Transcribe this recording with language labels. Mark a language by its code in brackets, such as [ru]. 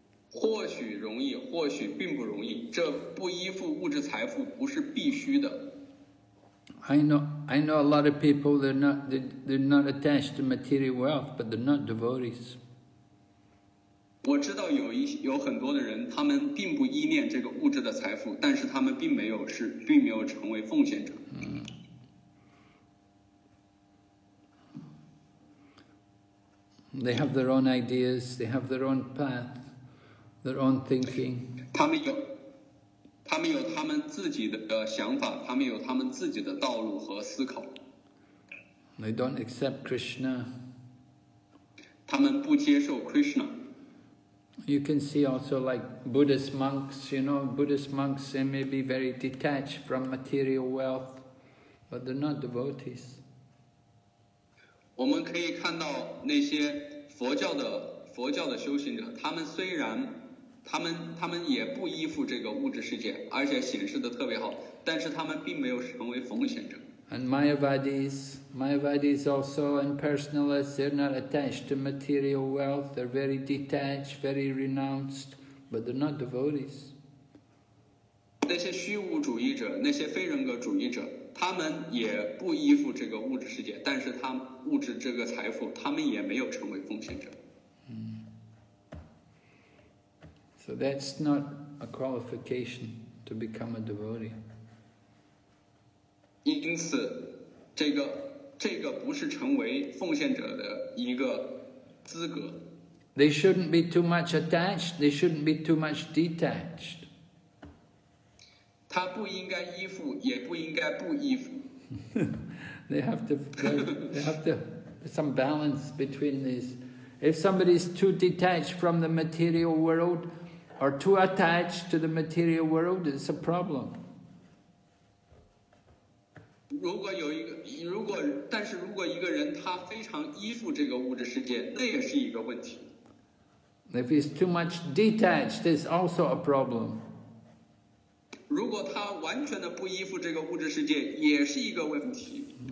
[zh] 或许容易，或许并不容易。这不依附物质财富不是必须的。 [en] I know a lot of people, they're not attached to material wealth, but they're not devotees. [zh] 我知道有很多的人，他们并不依恋这个物质的财富，但是他们并没有成为奉献者。 [en] They have their own ideas, they have their own path, their own thinking. [zh] 他们有他们自己的想法，他们有他们自己的道路和思考。 [en] They don't accept Krishna. [zh] 他们不接受 Krishna. [en] You can see also like Buddhist monks, you know, Buddhist monks, they may be very detached from material wealth, but they're not devotees. [zh] 我们可以看到那些佛教的修行者，他们虽然他们也不依附这个物质世界，而且显示的特别好，但是他们并没有成为奉献者。 [en] And Mayavadis also, and impersonalists, they're not attached to material wealth. They're very detached, very renounced, but they're not devotees. [zh] 那些虚无主义者，那些非人格主义者，他们也不依附这个物质世界，但是他们物质这个财富，他们也没有成为奉献者。 [en] So that's not a qualification to become a devotee. [zh] 因此，这个不是成为奉献者的一个资格。 [en] They shouldn't be too much attached. They shouldn't be too much detached. [zh] 他不应该依附，也不应该不依附。 [en] they have to some balance between these. If somebody is too detached from the material world. Or too attached to the material world, it's a problem. [zh] 如果有一个，如果，但是如果一个人他非常依附这个物质世界，那也是一个问题。 [en] If he's too much detached, it's also a problem. [zh] 如果他完全的不依附这个物质世界，也是一个问题。